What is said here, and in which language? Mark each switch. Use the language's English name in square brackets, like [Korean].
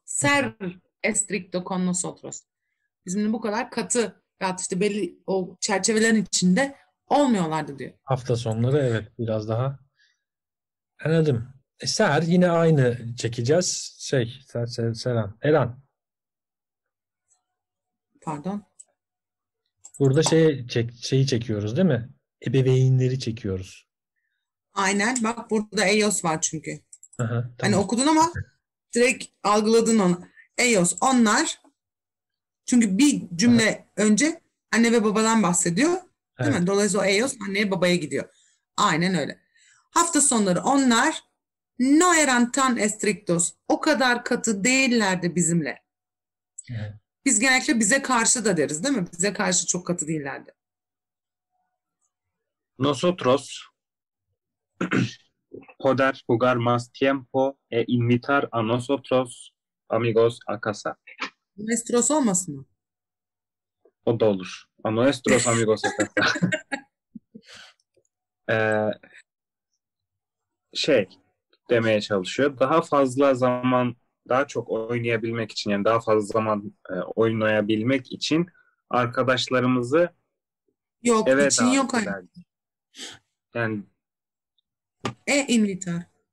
[Spanish] Ser estricto con nosotros. [Turkish] Bizimle bu kadar katı. Ya işte belli o çerçevelerin içinde olmuyorlardı diyor. Hafta sonları evet biraz daha. Anladım. Ser yine aynı çekeceğiz. Şey, Seren, Eren. Pardon. Burada şeyi çekiyoruz değil mi? Ebeveynleri çekiyoruz. Aynen. Bak burada Eos var çünkü. Aha, Hani tamam. okudun ama direkt algıladın onu. Eos onlar. Çünkü bir Aha. cümle önce anne ve babadan bahsediyor. Değil mi? Evet. Dolayısıyla o Eos anneye babaya gidiyor. Aynen öyle. Hafta sonları onlar [Spanish] no eran tan estrictos. [Turkish] O kadar katı değillerdi bizimle. Biz genellikle bize karşı da deriz, değil mi? Bize karşı çok katı değillerdi. [Spanish] Nosotros poder jugar más tiempo e invitar a nosotros amigos a casa. [Turkish] Nuestros olmasın mı? O da olur. [Spanish] A nuestros amigos a casa. [Turkish] demeye çalışıyor. Daha fazla zaman, daha çok oynayabilmek için, yani daha fazla zaman oynayabilmek için arkadaşlarımızı yok, eve için davet yok ederdi. Yani [Spanish] invitar.